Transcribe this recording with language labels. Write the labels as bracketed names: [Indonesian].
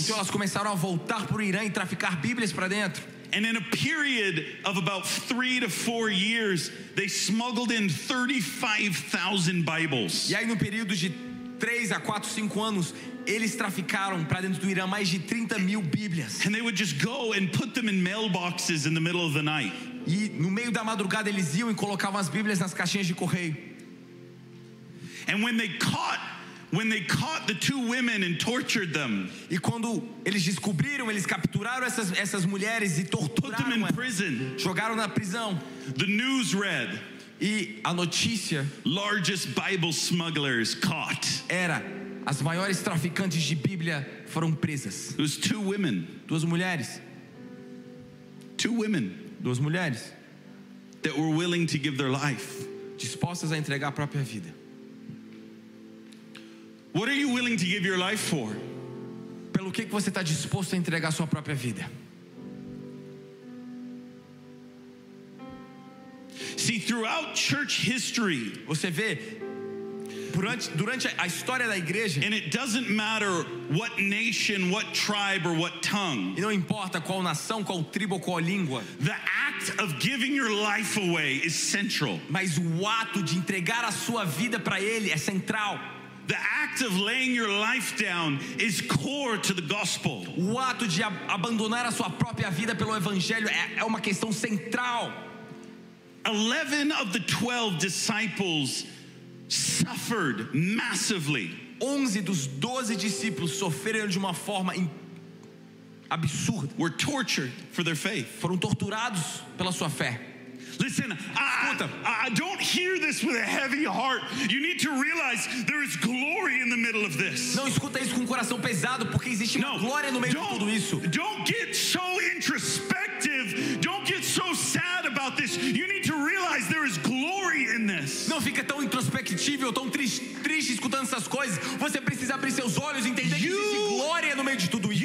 [Portuguese] Então elas começaram a voltar para o Irã e traficar Bíblias para dentro. [English] And in a period of about 3 to 4 years, they smuggled in 35,000 Bibles. [Portuguese] E aí, no período de 3 a 4, 5 anos, eles traficaram para dentro do Irã mais de 30 mil Bíblias. [English] And they would just go and put them in mailboxes in the middle of the night. [Portuguese] E no meio da madrugada, eles iam e colocavam as Bíblias nas caixinhas de correio. [English] And when they caught the two women and tortured them. [Portuguese] E quando eles descobriram, eles capturaram essas mulheres e torturaram. [English] Put them in prison. [Portuguese] Jogaram na prisão. [English] The news read. [Portuguese] E a notícia. [English] Largest Bible smugglers caught. [Portuguese] Era as maiores traficantes de Bíblia foram presas. [English] It was two women. [Portuguese] Duas mulheres. [English] Two women. [Portuguese] Duas mulheres. [English] That were willing to give their life. [Portuguese] Dispostas a entregar a própria vida. [English] What are you willing to give your life for? [Portuguese] Pelo que você está disposto a entregar sua própria vida? [English] See, throughout church history, [Portuguese] você vê durante a história da igreja, [English] and it doesn't matter what nation, what tribe, or what tongue. [Portuguese] E não importa qual nação, qual tribo, qual língua. [English] The act of giving your life away is central. [Portuguese] Mas o ato de entregar a sua vida para ele é central. [English] The act of laying your life down is core to the gospel. [Portuguese] O ato de abandonar a sua própria vida pelo evangelho é uma questão central. [English] 11 of the 12 disciples suffered massively. [Portuguese] 11 dos 12 discípulos sofreram de uma forma absurda. [English] Were tortured for their faith. [Portuguese] Foram torturados pela sua fé. [English] Listen, I don't hear this with a heavy heart. You need to realize there is glory in the middle of this. [Portuguese] Não escuta isso com um coração pesado, porque existe uma glória no meio de tudo isso. [English] Don't get so introspective. Don't get so sad about this. You need to realize there is glory in this. [Portuguese] Não fica tão introspectivo ou tão triste escutando essas coisas. Você precisa abrir seus olhos e entender que existe glória no meio de tudo isso.